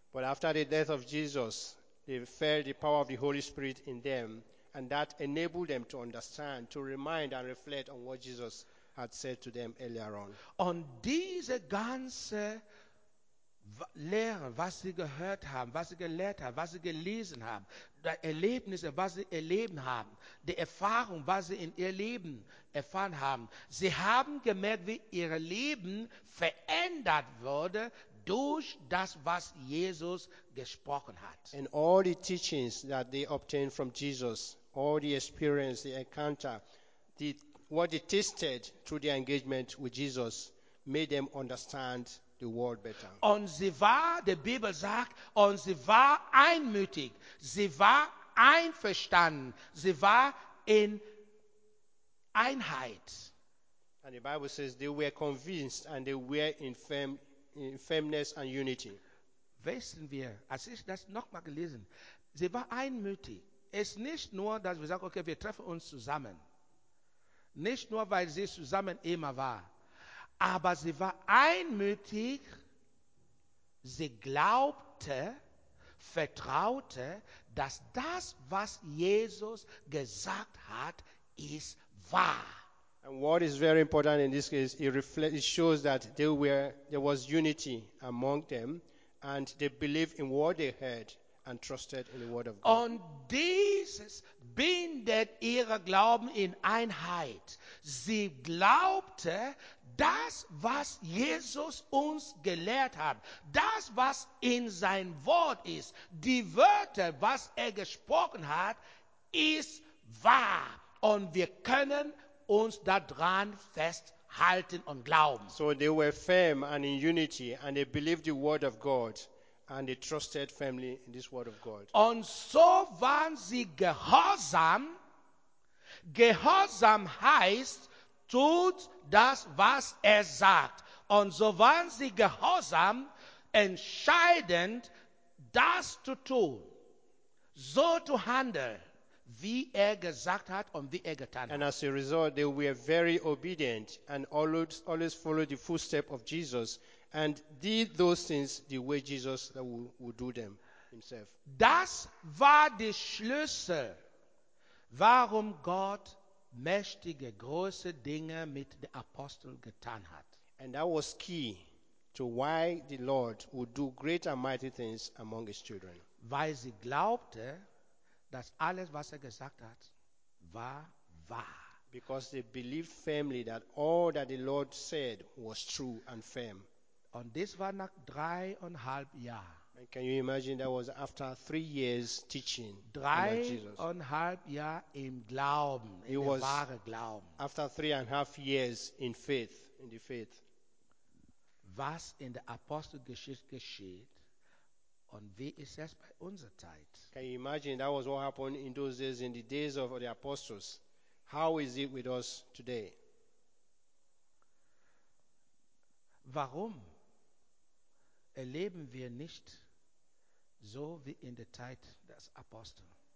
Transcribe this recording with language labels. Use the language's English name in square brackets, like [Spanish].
[English] But after the death of Jesus, they felt the power of the Holy Spirit in them, and that enabled them to understand, to remind and reflect on what Jesus had said to them earlier on. [German] Und diese ganze Lehre, was sie gehört haben, was sie gelehrt haben, was sie gelesen haben, die Erlebnisse, was sie erleben haben, die Erfahrung, was sie in ihr Leben erfahren haben, sie haben gemerkt, wie ihr Leben verändert wurde durch das, was Jesus gesprochen hat. [English] And all the teachings that they obtained from Jesus, all the experience, the encounter, what they tasted through their engagement with Jesus, made them understand the world better. [German] Und sie war, die Bibel sagt, und sie war einmütig, sie war einverstanden, sie war in Einheit. [English] And the Bible says they were convinced and they were in firmness and unity. [German] Wissen wir, als ich das nochmal gelesen, sie war einmütig. Es ist nicht nur, dass wir sagen, okay, wir treffen uns zusammen. Nicht nur, weil sie zusammen immer war. Aber sie war einmütig, sie glaubte, vertraute, dass das, was Jesus gesagt hat, ist wahr. [English] And what is very important in this case, it shows that there was unity among them and they believed in what they heard and trusted in the word of God. [German] Und dieses bindet ihre Glauben in Einheit. Sie glaubte das, was Jesus uns gelehrt hat, das, was in sein Wort ist, die Wörter, was er gesprochen hat, ist wahr. Und wir können uns daran festhalten und glauben. [English] So they were firm and in unity, and they believed the word of God, and they trusted firmly in this word of God. [German] Und so waren sie gehorsam. Gehorsam heißt, tut das, was er sagt. Und so waren sie gehorsam, entscheidend, das zu tun, so zu handeln, wie er gesagt hat und wie er getan hat. [English] And as a result, they were very obedient and always followed the footsteps of Jesus and did those things the way Jesus would do them himself. [German] Das war der Schlüssel, warum Gott mächtige, große Dinge mit den Aposteln getan hat. [English] And that was key to why the Lord would do great and mighty things among his children. [German] Weil sie glaubte, dass alles, was er gesagt hat, war wahr. [English] Because they believed firmly that all that the Lord said was true and firm. [German] Und das war nach 3,5 Jahren. [English] And can you imagine that was after 3 years teaching? [German] 3,5 Jahre im Glauben, in dem wahren Glauben. [English] After 3,5 years in faith, in the faith. [German] Was in der Apostelgeschichte geschieht, und wie ist es bei unserer Zeit? [English] Can you imagine that was what happened in those days, in the days of the apostles? How is it with us today? [German] Warum erleben wir nicht so wie in der Zeit des Apostels?